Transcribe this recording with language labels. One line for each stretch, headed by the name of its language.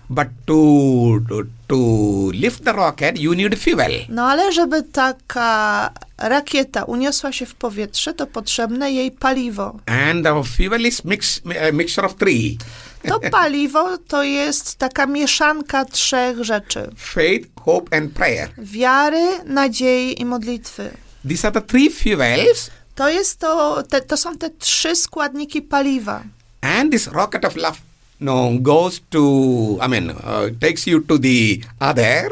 English: But to lift the rocket, you need fuel.
Polish: No ale żeby taka rakieta uniosła się w powietrze, to potrzebne jej paliwo.
English: And the fuel is mixture of three.
Polish: To paliwo to jest taka mieszanka trzech rzeczy.
English: Faith, hope and prayer.
Polish: Wiary, nadziei i modlitwy.
English: These are the three fuels.
Polish: To jest to, to są te trzy składniki paliwa.
English: And this rocket of love. No, goes to, takes you to the other.